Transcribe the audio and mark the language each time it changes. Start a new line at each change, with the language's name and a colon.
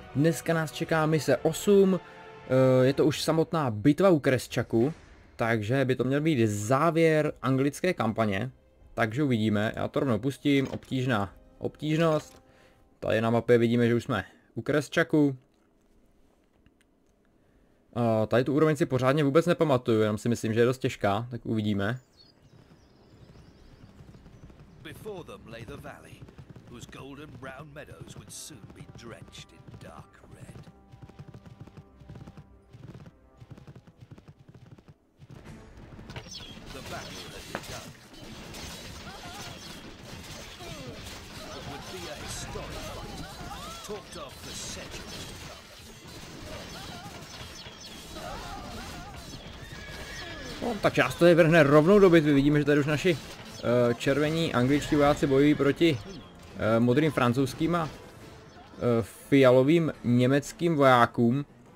Czech: Dneska nás čeká mise 8, je to už samotná bitva u Kresčaku, takže by to měl být závěr anglické kampaně. Takže uvidíme, já to rovnou pustím, obtížná obtížnost. Tady na mapě vidíme, že už jsme u Kresčaku. Tady tu úroveň si pořádně vůbec nepamatuju, jenom si myslím, že je dost těžká, tak uvidíme.
English: Before them lay the valley, whose golden brown meadows would soon be drenched in dark red. The battle had begun. It would be a historic fight, talked of for centuries to come.
Czech: No, ta část to je vrhne rovnou do bitvy, vidíme, že tady už naši červení angličtí vojáci bojují proti modrým francouzským a fialovým německým vojákům.